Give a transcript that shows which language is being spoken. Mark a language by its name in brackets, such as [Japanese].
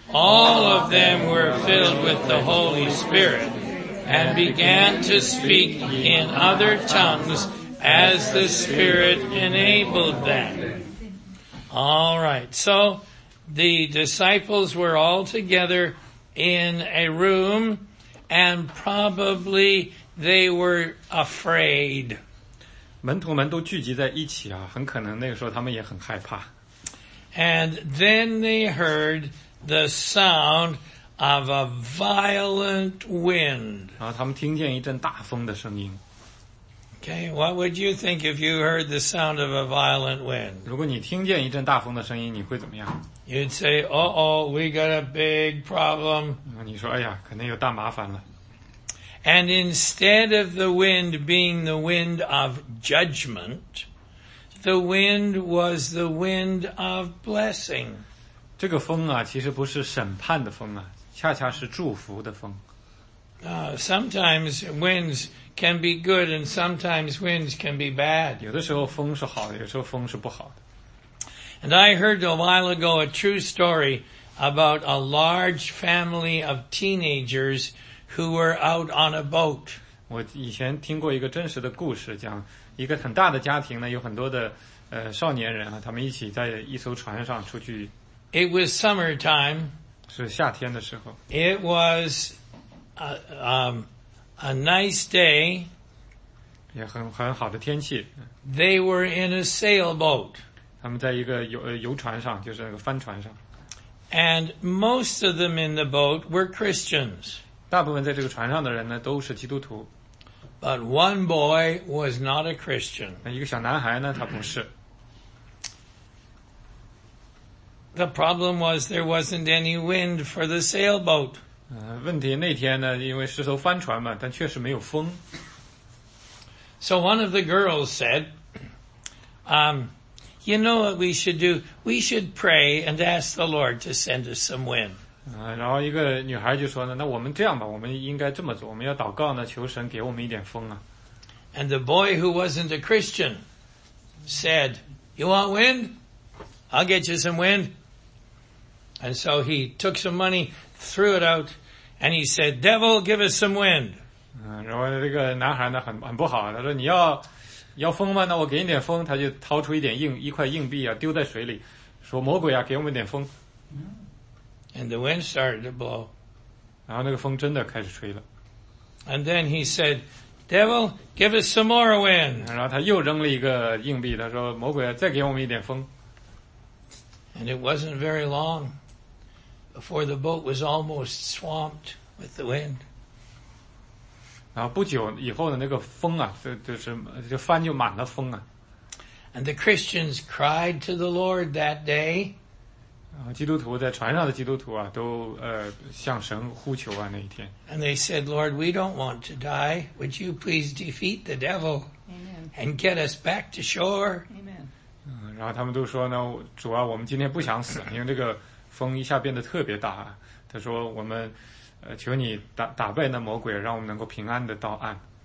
[English] All of them were filled with the Holy Spirit and began to speak in other tongues as the Spirit enabled them. All right. So the disciples were all together in a room and probably they were afraid. [Chinese] 门徒们都聚集在一起啊，很可能那个时候他们也很害怕。 [English] And then they heard the sound of a violent wind. [Chinese] 然后他们听见一阵大风的声音。 [English] Okay, what would you think if you heard the sound of a violent wind? [Chinese] 如果你听见一阵大风的声音，你会怎么样？ [English] You'd say, uh-oh, we got a big problem. [Chinese] 你说，哎呀，肯定有大麻烦了。 [English] And instead of the wind being the wind of judgment, the wind was the wind of blessing. [Chinese] 这个风啊，其实不是审判的风啊，恰恰是祝福的风。 [English] Sometimes winds can be good and sometimes winds can be bad. [Chinese] 有的时候风是好的，有时候风是不好的。 [English] And I heard a while ago a true story about a large family of teenagers who were out on a boat. [Chinese] 我以前听过一个真实的故事，讲一个很大的家庭呢，有很多的少年人啊，他们一起在一艘船上出去。 [English] It was summertime. [Chinese] 是夏天的时候。 [English] It was a nice day. [Chinese] 也很好的天气。 [English] They were in a sailboat. [Chinese] 他们在一个游船上，就是那个帆船上。 [English] And most of them in the boat were Christians. [Chinese] 大部分在这个船上的人呢，都是基督徒。 [English] But one boy was not a Christian. [Chinese] 那一个小男孩呢，他不是。 [English] The problem was there wasn't any wind for the sailboat. [Chinese] 问题那天呢，因为是艘帆船嘛，但确实没有风。 [English] So one of the girls said, you know what we should do? We should pray and ask the Lord to send us some wind. [Chinese] 然后一个女孩就说呢，那我们这样吧，我们应该这么做，我们要祷告呢，求神给我们一点风啊。 [English] And the boy who wasn't a Christian said, you want wind? I'll get you some wind. And so he took some money, threw it out, and he said, devil, give us some wind. [Chinese] 然后这个男孩呢很不好，他说你要风吗？那我给你点风。他就掏出一块硬币啊，丢在水里，说魔鬼啊，给我们点风。 [English] And the wind started to blow. [Chinese] 然后那个风真的开始吹了。 [English] And then he said, devil, give us some more wind. [Chinese] 然后他又扔了一个硬币，他说魔鬼啊，再给我们一点风。 [English] And it wasn't very long before the boat was almost swamped with the wind. [Chinese] 然后不久以后的那个风啊，就帆就满了风啊。 [English] And the Christians cried to the Lord that day. [Chinese] 基督徒在船上的基督徒啊，都向神呼求啊那一天。 [English] And they said, Lord, we don't want to die. Would you please defeat the devil and get us back to shore? Amen. [Chinese] 然后他们都说呢，主啊，我们今天不想死，因为这个风一下变得特别大。他说我们求你打败那魔鬼，让我们能够平安的到岸。